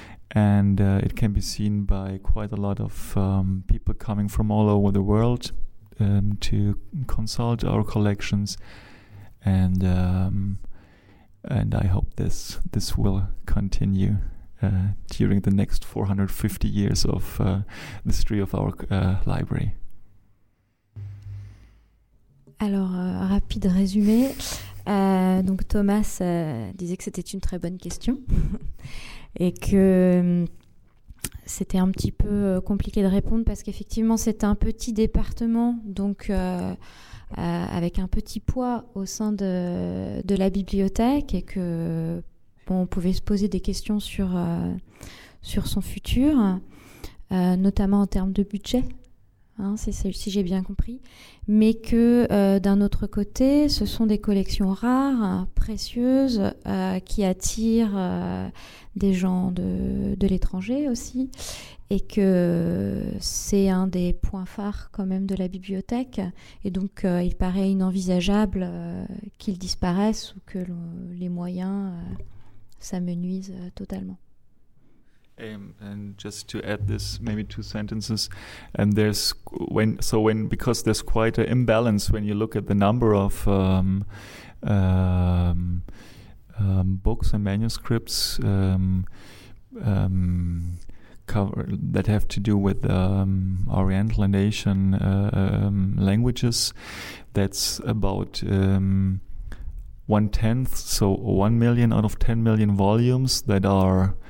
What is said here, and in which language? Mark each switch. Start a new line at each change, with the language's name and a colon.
English: And it can be seen by quite a lot of people coming from all over the world to consult our collections, and I hope this will continue during the next 450 years of the history of our library.
French: Alors, rapide résumé. Donc, Thomas disait que c'était une très bonne question et que c'était un petit peu compliqué de répondre parce qu'effectivement, c'est un petit département, donc avec un petit poids au sein de la bibliothèque et que bon, on pouvait se poser des questions sur, sur son futur, notamment en termes de budget. Hein, si j'ai bien compris, mais que d'un autre côté, ce sont des collections rares, précieuses, qui attirent des gens de l'étranger aussi, et que c'est un des points phares quand même de la bibliothèque, et donc il paraît inenvisageable qu'ils disparaissent ou que les moyens s'amenuisent totalement.
English: And just to add this, maybe two sentences, and there's when because there's quite an imbalance when you look at the number of books and manuscripts cover that have to do with Oriental and Asian languages, that's about 1/10, so 1 million out of 10 million volumes that are.